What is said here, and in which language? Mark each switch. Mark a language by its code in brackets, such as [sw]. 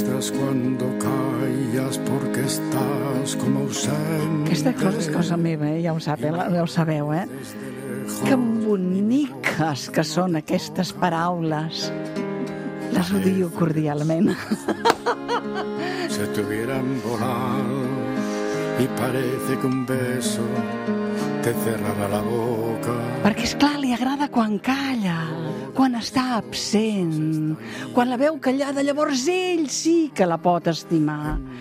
[es] Cuando callas porque estás como ausente. [ca] Aquesta cosa és cosa meva, eh? ja ho sabeu. Que boniques que són aquestes paraules. Les odio cordialment. [es] Se te hubieran volado y parece que un beso te cerrará la boca. [ca] Perquè, és clar, li agrada quan calla, quan està absent, quan la veu callada, llavors ell sí que la pot estimar.